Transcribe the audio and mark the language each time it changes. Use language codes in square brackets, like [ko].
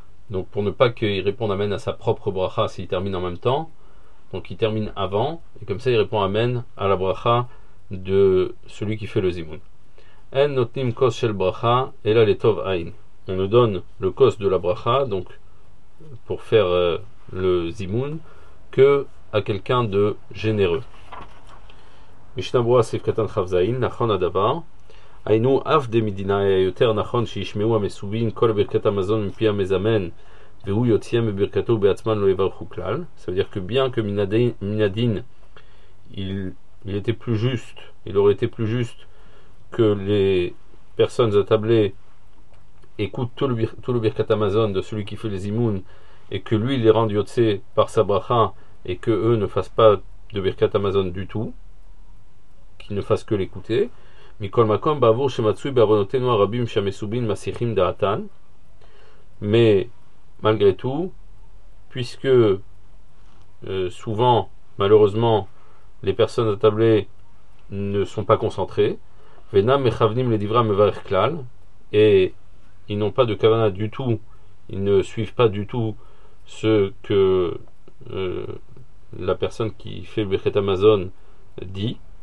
[fr] Donc pour ne pas qu'il réponde amen à sa propre bracha s'il termine en même temps, donc il termine avant et comme ça il répond amen à la bracha de celui qui fait le zimoun. [he] En notnim kos shel bracha ela letov ein, [fr] on nous donne le kos de la bracha, donc pour faire le zimoun, que à quelqu'un de généreux. [he] Mishnah Brura sif katan chav zayin nachon adavar היינו אף דמדינה היה יותר נכון שישמעו המסובין כל ברכת המזון מפי המזמן והוא יוציא מברכתו בעצמן לא יברכו כלל. [fr] Ça veut dire que bien que minadin, il était plus juste, il aurait été plus juste que les personnes attablées écoutent tout le birkat hamazon de celui qui fait les imoun et que lui les rende yotse par sa bracha et que eux ne fassent pas de birkat hamazon du tout, qu'ils ne fassent que l'écouter. [he] מכל מקום בעבור שמצוי בעוונותינו הרבים שהמסובין מסיחים דעתן. [fr] Mais malgré tout, puisque souvent, malheureusement, les personnes attablées ne sont pas concentrées, [he] venam mechavnim ledivra mevarech klal, [fr] et ils n'ont pas de kavana du tout, ils ne suivent pas du tout ce que la personne qui fait le Birkat Hamazon dit.